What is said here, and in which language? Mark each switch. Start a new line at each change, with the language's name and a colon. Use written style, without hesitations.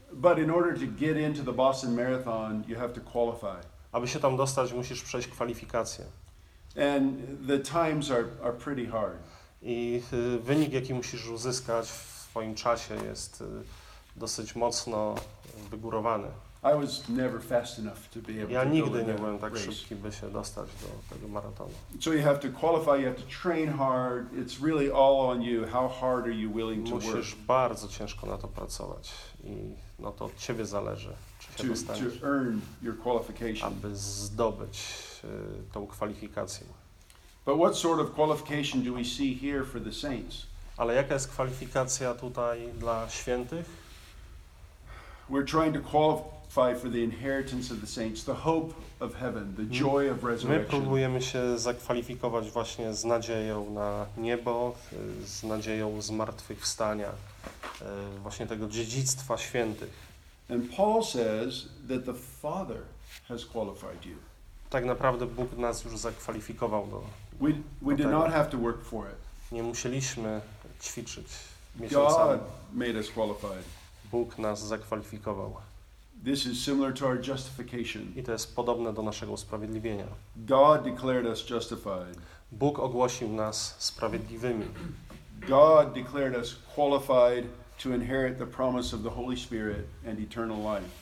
English: But in order to get into the Boston Marathon, you have to qualify.
Polish: Aby się tam dostać, musisz przejść kwalifikację.
English: And the times are pretty hard.
Polish: I wynik, jaki musisz uzyskać w swoim czasie, jest dosyć mocno wygórowany.
English: I was never fast enough to be able to.
Polish: Ja nigdy nie byłem tak szybki, by się dostać do tego maratonu.
English: So you have to qualify, you have to train hard. It's really all on you. How hard are you willing to work?
Polish: Musisz bardzo ciężko na to pracować. I no to od ciebie zależy, czy się dostaniesz.
English: To earn your qualification.
Polish: Aby zdobyć tą kwalifikację.
English: But what sort of qualification do we see here for the saints?
Polish: Ale jaka jest kwalifikacja tutaj dla świętych?
English: We're trying to qualify for the inheritance of the saints, the hope of heaven, the joy of resurrection.
Polish: My próbujemy się zakwalifikować właśnie z nadzieją na niebo, z nadzieją zmartwychwstania, właśnie tego dziedzictwa świętych.
English: And Paul says that the Father has qualified you.
Polish: Tak naprawdę Bóg nas już zakwalifikował do.
English: We did not have to work for it.
Polish: Nie musieliśmy ćwiczyć miesiącami.
English: God made us qualified.
Polish: Bóg nas zakwalifikował.
English: This is similar to our justification.
Polish: I to jest podobne do naszego usprawiedliwienia.
English: God declared us justified.
Polish: Bóg ogłosił nas sprawiedliwymi.
English: God declared us qualified to inherit the promise of the Holy Spirit and eternal life.